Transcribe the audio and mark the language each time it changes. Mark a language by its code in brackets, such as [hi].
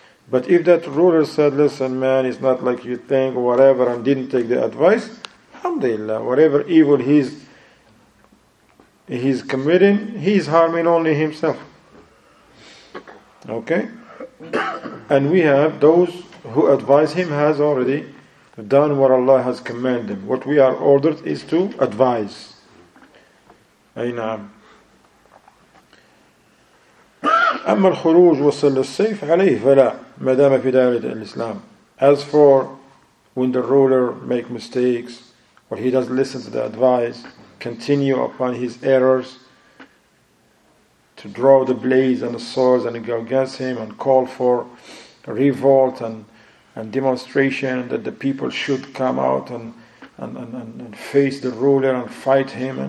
[en] But if that ruler said, listen man, it's not like you think, whatever, and didn't take the advice, alhamdulillah, whatever evil he's committing, he's harming only himself. Okay? And we have those who advise him has already done what Allah has commanded him. What we are ordered is to advise. Aynam. [ar] أما الخروج وصل السيف عليه فلا ما دام في دائرة الإسلام. [en] As for when the ruler make mistakes or he doesn't listen to the advice, continue upon his errors to draw the blades and the swords and go against him and call for revolt and demonstration, that the people should come out and face the ruler and fight him.